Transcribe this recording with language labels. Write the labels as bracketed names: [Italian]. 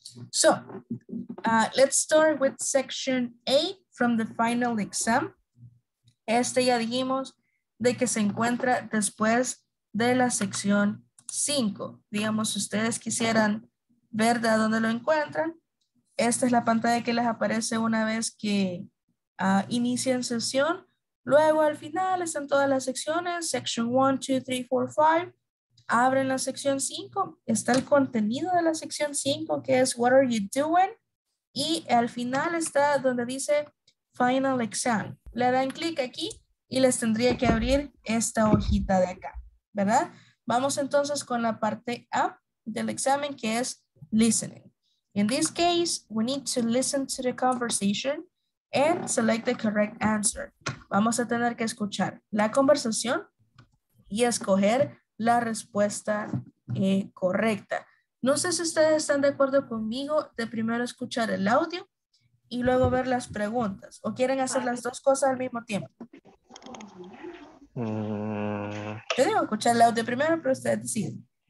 [English] So, let's start with section A from the final exam. [Spanish] Este ya dijimos de que se encuentra después de la sección 5. Digamos, si ustedes quisieran ver de dónde lo encuentran, esta es la pantalla que les aparece una vez que inician sesión. Luego al final están todas las secciones, [English] section 1, 2, 3, 4, 5. [Spanish] Abren la sección 5, está el contenido de la sección 5 que es [English] What are you doing? [Spanish] Y al final está donde dice Final Exam. Le dan clic aquí y les tendría que abrir esta hojita de acá, ¿verdad? Vamos entonces con la parte A del examen que es Listening. [English] In this case, we need to listen to the conversation and select the correct answer. [Spanish] Vamos a tener que escuchar la conversación y escoger la respuesta correcta. No sé si ustedes están de acuerdo conmigo de primero escuchar el audio y luego ver las preguntas. ¿O quieren hacer las dos cosas al mismo tiempo? Yo digo escuchar el audio primero, pero ustedes deciden.